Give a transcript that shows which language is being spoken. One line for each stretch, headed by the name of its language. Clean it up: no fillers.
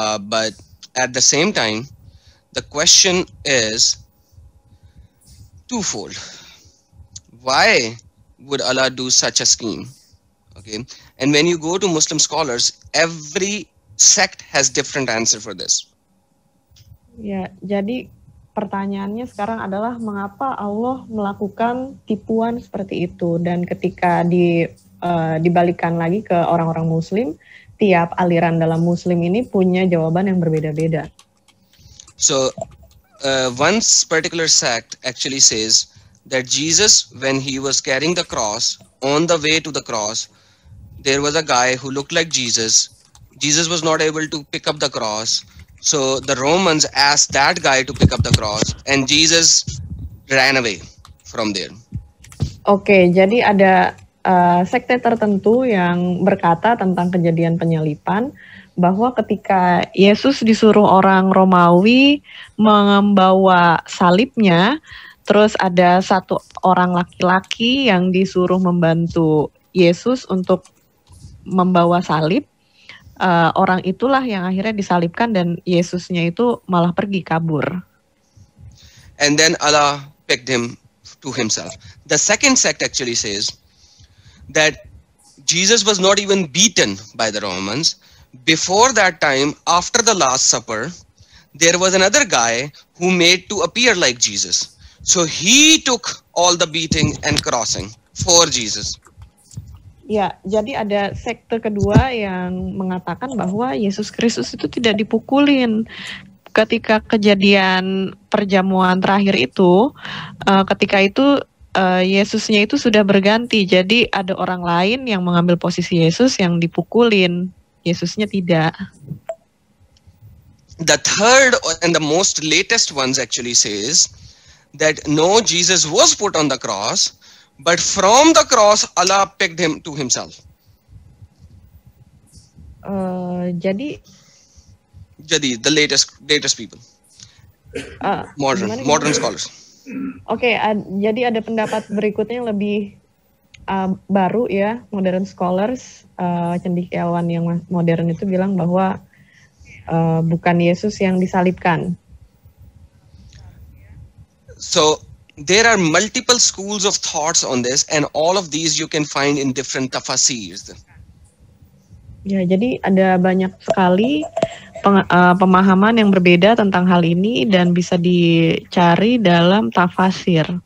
English: But at the same time, the question is twofold. Why would Allah do such a scheme? Okay, and when you go to Muslim scholars, every sect has different answer for this.
Indonesian: Ya, jadi pertanyaannya sekarang adalah mengapa Allah melakukan tipuan seperti itu, dan ketika dibalikan lagi ke orang-orang Muslim, tiap aliran dalam Muslim ini punya jawaban yang berbeda-beda.
English: So, one particular sect actually says that Jesus, when he was carrying the cross, on the way to the cross, there was a guy who looked like Jesus. Jesus was not able to pick up the cross. So the Romans asked that guy to pick up the cross, and Jesus ran away from there.
Indonesian: Okay, jadi ada sekte tertentu yang berkata tentang kejadian penyalipan, bahwa ketika Yesus disuruh orang Romawi membawa salibnya, terus ada satu orang laki-laki yang disuruh membantu Yesus untuk membawa salib. Orang itulah yang akhirnya disalibkan, dan Yesusnya itu malah pergi kabur.
English: And then Allah picked him to himself. The second sect actually says that Jesus was not even beaten by the Romans. Before that time, after the Last Supper, there was another guy who made to appear like Jesus. So he took all the beating and crossing for Jesus.
Indonesian: Ya, jadi ada sekte kedua yang mengatakan bahwa Yesus Kristus itu tidak dipukulin. Ketika kejadian perjamuan terakhir itu, ketika itu Yesusnya itu sudah berganti. Jadi ada orang lain yang mengambil posisi Yesus yang dipukulin, Yesusnya tidak.
English: The third and the most latest ones actually says that no, Jesus was put on the cross, but from the cross Allah picked him to himself.
Indonesian: Jadi
English: the latest people. Modern scholars.
Indonesian: Okay, jadi ada pendapat berikutnya yang lebih baru ya,
English: modern scholars,
Indonesian: cendekiawan yang modern itu bilang bahwa bukan Yesus yang disalibkan.
English: So there are multiple schools of thoughts on this, and all of these you can find in different tafasirs.
Indonesian: Ya, jadi ada banyak sekali pemahaman yang berbeda tentang hal ini, dan bisa dicari dalam tafasir.